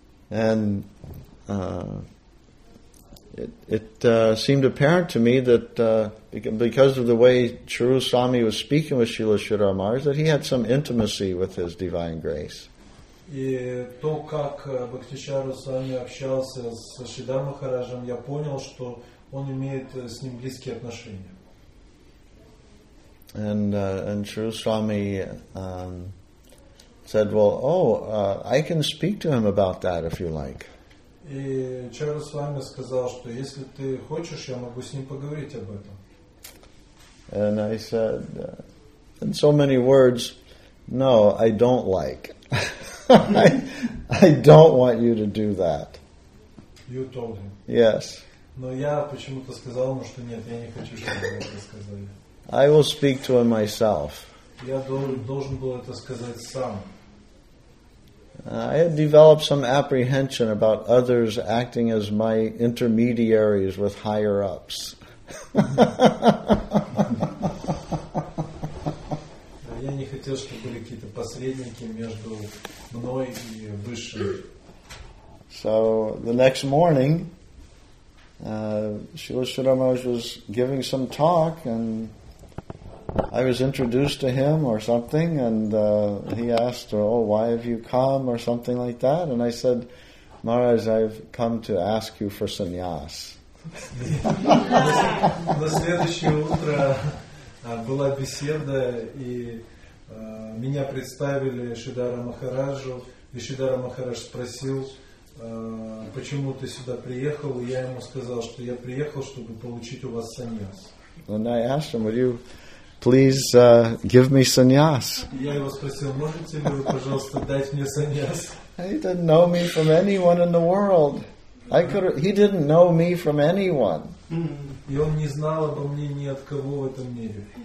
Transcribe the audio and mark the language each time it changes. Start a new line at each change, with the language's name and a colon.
English: And seemed apparent to me that because of the way Чару Свами was speaking with Шрила Шридхар Махарадж, that he had some intimacy with his divine grace.
Russian: И то, как Бхакти Чару Свами общался с Шридхар Махараджем, я понял, что он имеет с ним близкие отношения.
English: And Shri Swami said, well, I can speak to him about that if you like.
Russian: И Чару Свами сказал, что если ты хочешь, я могу с ним поговорить об этом.
English: And I said, in so many words, no, I don't like. I don't want you to do that. You told him. Yes.
Russian: Но я почему-то сказал ему, что нет, я не хочу, чтобы вы это сказали.
English: I will speak to him myself.
Russian: Я должен был это сказать сам.
English: I had developed some apprehension about others acting as my intermediaries with higher ups.
Russian: Я не хотел, чтобы были какие-то посредники между мной и высшими.
English: So the next morning, Srila Sridhar Maharaj was giving some talk, and I was introduced to him or something, and he asked, why have you come, or something like that, and I said, Maharaj, I've come to ask you for sannyas.
Russian: На следующее утро была беседа, и меня представили Шридхару Махараджу, и Шридхар Махарадж спросил, почему ты сюда приехал, и я ему сказал, что я приехал, чтобы получить у вас саньяс.
English: And I asked him, would you please give me saньяс?
Russian: Я его спросил, можете ли вы, пожалуйста, дать мне саньяс?
English: He didn't know me from anyone in the world. He didn't know me from anyone.
Russian: И он не знал обо мне ни от кого в этом мире.